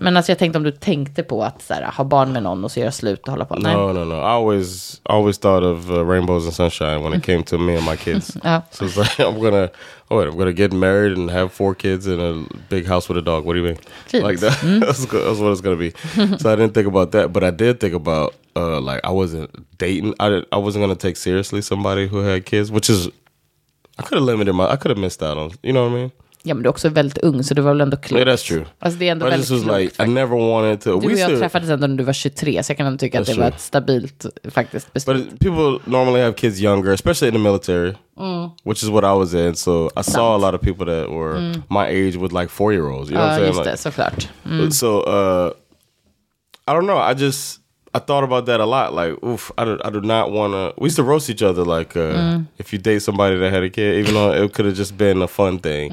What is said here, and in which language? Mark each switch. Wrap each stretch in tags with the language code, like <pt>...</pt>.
<sv>Men alltså, jag tänkte om du tänkte på att så här, ha barn med någon och så göra slut och hålla på. Nej.</sv> <en>No. I always thought of rainbows and sunshine when it came to me and my kids.</en> <sv>Ja.</sv> <en>So it's like, I'm gonna get married and have 4 kids in a big house with a dog. What do you mean? Jeez. Like that. That's what it's gonna be. So I didn't think about that. But I did think about, like, I wasn't dating. I wasn't gonna take seriously somebody who had kids, which is... I could have missed out on, you know what I mean?</en> <sv>Ja, men du är också väldigt ung, så det var väl ändå klokt.</sv> <en>Yeah, that's true.</en> <sv>Alltså, det är ändå väldigt klokt.</sv> <en>Like, I never wanted to...</en> <sv>Du och jag träffades ändå när du var 23, så jag kan ändå tycka att det var ett stabilt faktiskt beslut.</sv> <en>But people normally have kids younger, especially in the military, which is what I was in. So I saw a lot of people that were my age with like 4-year-olds. You know what I'm saying?</en> <sv>Ja, just det, såklart.</sv> <en>So, I don't know, I thought about that a lot, like, oof, I do not want to... We used to roast each other, like, if you date somebody that had a kid, even though it could have just been a fun thing.</en>